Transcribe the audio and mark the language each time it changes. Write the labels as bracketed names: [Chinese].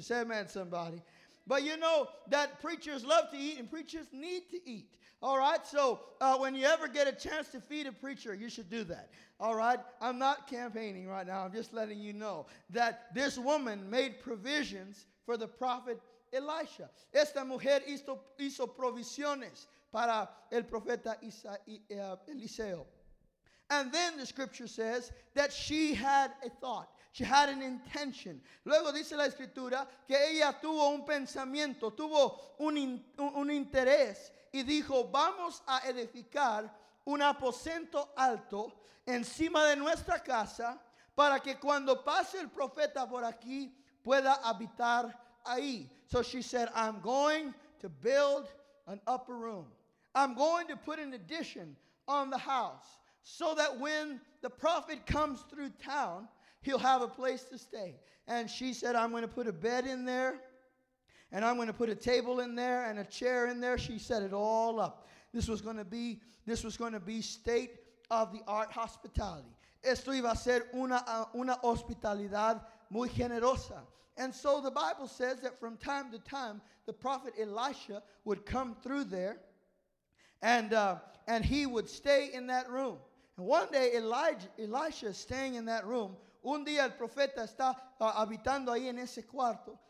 [English] Say amen, somebody. But you know that preachers love to eat and preachers need to eat. All right? So when you ever get a chance to feed a preacher, you should do that. All right? I'm not campaigning right now. I'm just letting you know that this woman made provisions for the prophet Elisha. [Spanish] Esta mujer hizo provisiones para el profeta Eliseo. [English] And then the scripture says that she had a thought. She had an intention. [Spanish] Luego dice la escritura que ella tuvo un pensamiento, tuvo un interés, y dijo, vamos a edificar un aposento alto encima de nuestra casa para que cuando pase el profeta por aquí pueda habitar ahí. [English] So she said, I'm going to build an upper room. I'm going to put an addition on the house, so that when the prophet comes through town, he'll have a place to stay. And she said, I'm going to put a bed in there, and I'm going to put a table in there and a chair in there. She set it all up. This was going to be state of the art hospitality. [Spanish] Esto iba a ser una hospitalidad muy generosa. [English] And so the Bible says that from time to time, the prophet Elisha would come through there, And he would stay in that room. And one day, Elisha is staying in that room. [Spanish] Un día el profeta está habitando ahí en ese cuarto.